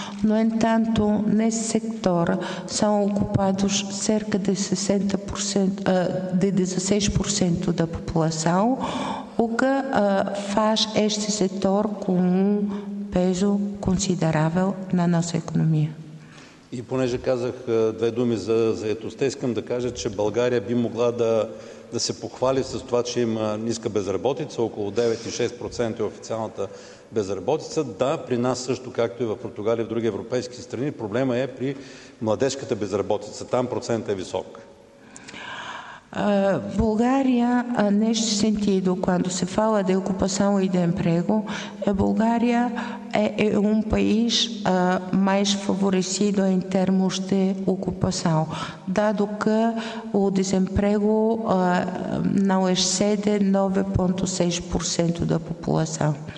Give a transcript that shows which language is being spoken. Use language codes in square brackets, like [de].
[pt] No entanto, nesse sector são ocupados cerca de 60%, de 16% da população, o que faz este setor com um peso considerável na nossa economia. [bg] E понеже казах две думи за заетостта, искам да кажа, че България би могла да се похвали с това, че има ниска безработица, около 9,6% е официалната безработица. Да, при нас също, както и в Португалия и в други европейски страни, проблема е при младежката безработица. Там процентът е висок. [pt] Bulgária, neste sentido, quando se fala de ocupação e de emprego, a Bulgária é um país mais favorecido em termos de ocupação, dado que o desemprego não excede 9,6% da população.